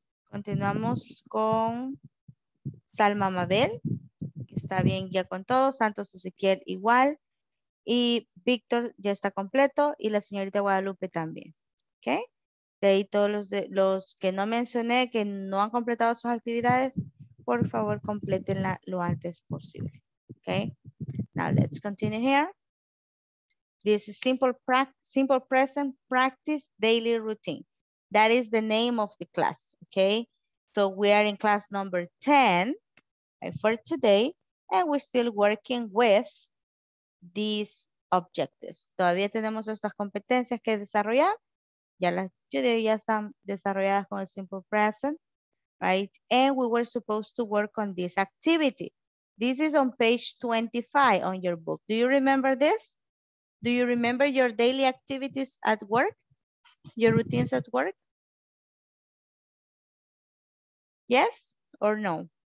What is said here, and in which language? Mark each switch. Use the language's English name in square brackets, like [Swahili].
[Spanish] Continuamos con Salma Mabel, que está bien ya con todos, Santos Ezequiel igual, y Víctor ya está completo, y la señorita Guadalupe también. ¿Okay? De ahí todos los que no mencioné, que no han completado sus actividades, por favor, complétenla lo antes posible. [English] ¿Okay? Now let's continue here. This is simple present practice daily routine. That is the name of the class, okay? So we are in class number 10 for today, and we're still working with these objectives. [Spanish] Todavía tenemos estas competencias que desarrollar. Ya las ya están desarrolladas con el simple present, right? [English] And we were supposed to work on this activity. This is on page 25 on your book. Do you remember this? Do you remember your daily activities at work? Your routines at work? Yes or no?